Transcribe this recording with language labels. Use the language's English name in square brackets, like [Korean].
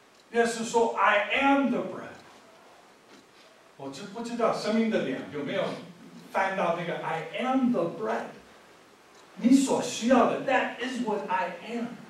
[Chinese] 耶稣说 [English] I am the bread. [Chinese] 我就不知道生命的粮有没有翻到那个 [English] I am the bread. [Chinese] 你所需要的 [English] that is what I am.